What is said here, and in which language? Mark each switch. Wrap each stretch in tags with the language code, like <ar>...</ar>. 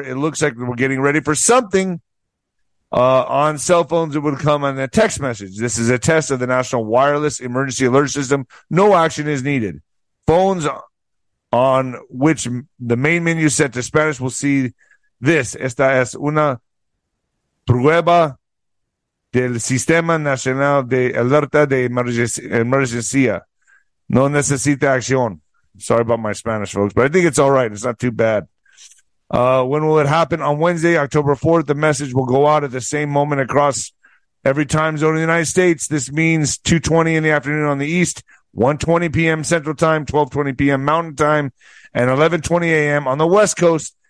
<en>It looks like we're getting ready for something. On cell phones, it would come on a text message. This is a test of the National Wireless Emergency Alert System. No action is needed. Phones on which the main menu set to Spanish will see this.</en> <es>Esta es una prueba del Sistema Nacional de Alerta de Emergencia. No necesita acción.</es> <en>Sorry about my Spanish, folks, but I think it's all right. It's not too bad. When will it happen? On Wednesday, October 4th, the message will go out at the same moment across every time zone in the United States. This means 2:20 in the afternoon on the east, 1:20 p.m. Central Time, 12:20 p.m. Mountain Time, and 11:20 a.m. on the West Coast.</en>